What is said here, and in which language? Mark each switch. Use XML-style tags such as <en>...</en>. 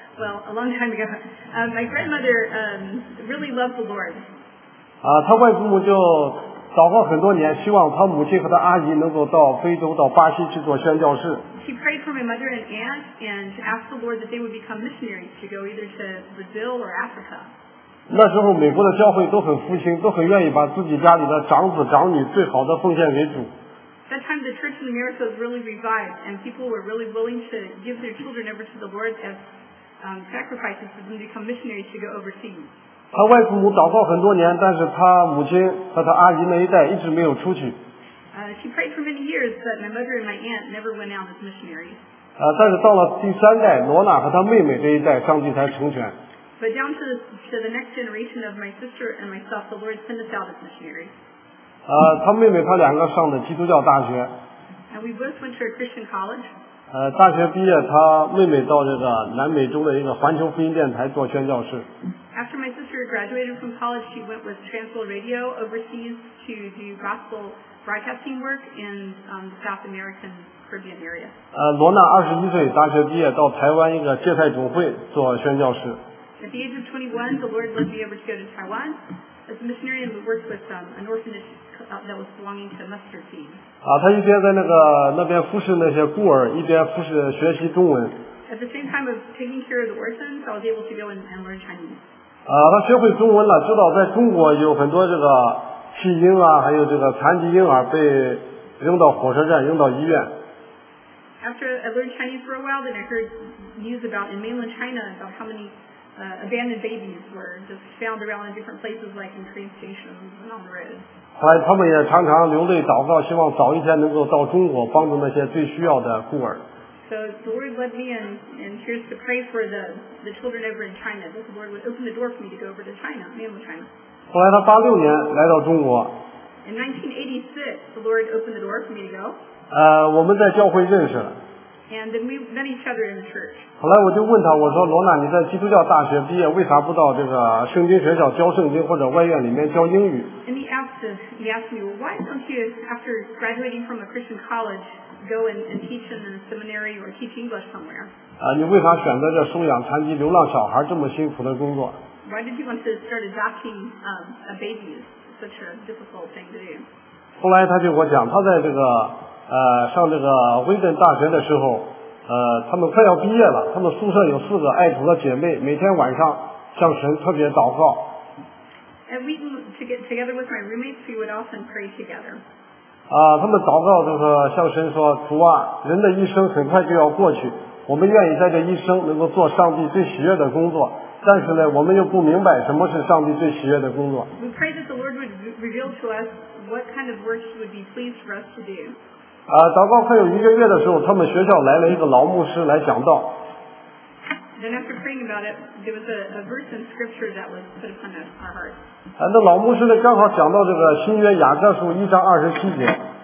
<en>Well, a long time ago, my grandmother really loved the Lord.</en> <zh>她外祖母就祷告很多年，希望她母亲和她阿姨能够到非洲、到巴西去做宣教士。</zh> <en>She prayed for my mother and aunt and asked the Lord that they would become missionaries to go either to Brazil or Africa.</en> <zh>那时候美国的教会都很复兴，都很愿意把自己家里的长子长女最好的奉献给主。</zh> <en>That time the Church in America was really revived and people were really willing to give their children over to the Lord as sacrifices for them to become missionaries to go overseas.</en> <zh>她外祖母祷告很多年，但是她母亲和她阿姨那一代一直没有出去。</zh> <en>She prayed for many years, but my mother and my aunt never went out as missionaries.</en> <zh>但是到了第三代，罗娜和她妹妹这一代，上帝才成全。</zh> <en>But down to the next generation of my sister and myself, the Lord sent us out as missionaries.</en> <zh>她妹妹她两个上的基督教大学。</zh> <en>And we both went to a Christian college.</en> <zh>大学毕业，她妹妹到这个南美洲的一个环球福音电台做宣教士。</zh> <en>After my sister graduated from college, she went with Transworld Radio overseas to do gospel broadcasting work in the South American Caribbean area.</en> <zh>罗娜21岁，大学毕业到台湾一个接待总会做宣教士。</zh> <en>At the age of 21, the Lord led me over to go to Taiwan as a missionary and worked with an orphanage. That was belonging to a mustard seed.</en> <zh>她一边在那边服侍那些孤儿，一边服侍学习中文。</zh> <en>At the same time of taking care of the orphans, I was able to go and learn Chinese.</en> <zh>她学会中文了，知道在中国有很多这个弃婴啊，还有这个残疾婴儿被扔到火车站，扔到医院。</zh> <en>After I learned Chinese for a while, then I heard news about in mainland China about how many abandoned babies were just found around in different places, like in train stations and on the road.</en> <zh>他们也常常流泪祷告，希望早一天能够到中国帮助那些最需要的孤儿。</zh> <en>So the Lord led me and here's to pray for the children over in China. Both the Lord would open the door for me to go over to China, mainland China.</en> <zh>后来他86年来到中国。</zh> <en>In 1986, the Lord opened the door for me to go.</en> <zh>我们在教会认识了。</zh> <en>And then we met each other in the church.</en> <zh>后来我就问他，我说罗娜，你在基督教大学毕业，为啥不到这个圣经学校教圣经或者外院里面教英语？</zh> <en>And he asked me, well, why don't you, after graduating from a Christian college, go and teach in a seminary or teach English somewhere?</en> <zh>你为啥选择这收养残疾流浪小孩这么辛苦的工作？</zh> <en>Why did you want to start adopting a baby? It's such a difficult thing to do.</en> <zh>后来他就跟我讲，他在这个上这个威顿大学的时候，他们快要毕业了，他们宿舍有四个爱主的姐妹，每天晚上向神特别祷告。</zh> <en>At Wheaton, to get together with my roommates, we would often pray together.</en> <zh>他们祷告就是向神说，主啊，人的一生很快就要过去，我们愿意在这一生能够做上帝最喜悦的工作，但是呢，我们又不明白什么是上帝最喜悦的工作。</zh> <en>We pray that the Lord would reveal to us what kind of work He would be pleased for us to do.</en> <zh>祷告快有一个月的时候，他们学校来了一个老牧师来讲道。</zh> <en>then after praying about it, there was a verse in scripture that was put upon our heart.</en> <zh>那老牧师呢刚好讲到这个新约雅各书1章27节。</zh>